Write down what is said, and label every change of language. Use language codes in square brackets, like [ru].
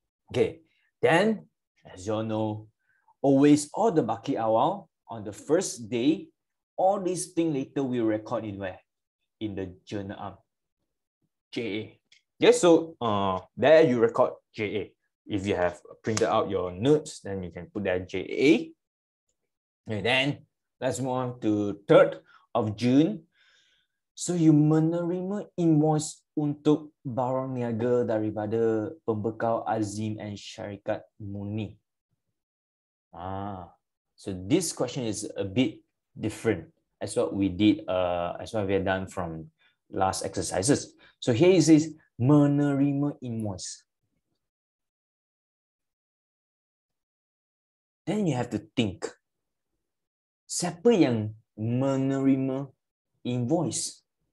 [en] Okay, then as you all know, always all the Bakiawa on the first day, all these things later we record in where? In the journal arm. JA. Yeah, so there you record JA. If you have printed out your notes, then you can put that JA. And then let's move on to 3rd of June. So you [ms] menerima invoice untuk barang niaga daripada pembekal Azim and Syarikat Muni. [en] So this question is a bit different as what we did, as what we have done from last exercises. So here it says [ms] menerima [en] invoice. Then you have to think, [ms] siapa yang menerima invoice?